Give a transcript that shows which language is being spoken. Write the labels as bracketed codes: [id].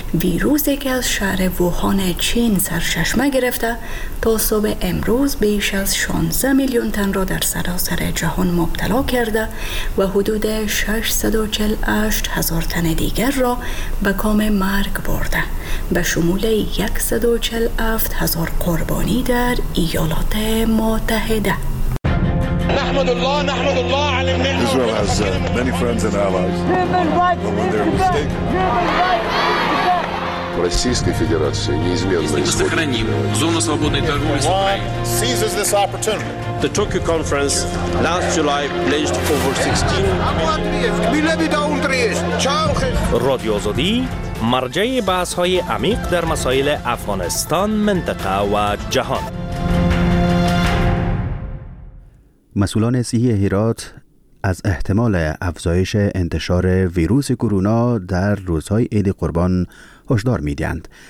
[fa] ویروسی که از شهر ووهان چین سرچشمه گرفته تا صبح امروز بیش از 16 میلیون تن را در سراسر جهان مبتلا کرده و حدود 648 هزار تن دیگر را به کام مرگ برده، به شمول 147 هزار قربانی در ایالات متحده. [en] Israel has many friends and allies. Human rights. Human rights. [ru] Российская Федерация неизменно стоит. Мы сохраним зону свободной торговли с Украиной. [en] Seizes this opportunity. The Tokyo Conference last July pledged over 16. [fa] Radio Azadi, مرجع بحث‌های عمیق در مسائل افغانستان، منطقه و جهان. مسئولان صحی هرات از احتمال افزایش انتشار ویروس کرونا در روزهای عید قربان هشدار می‌دهند.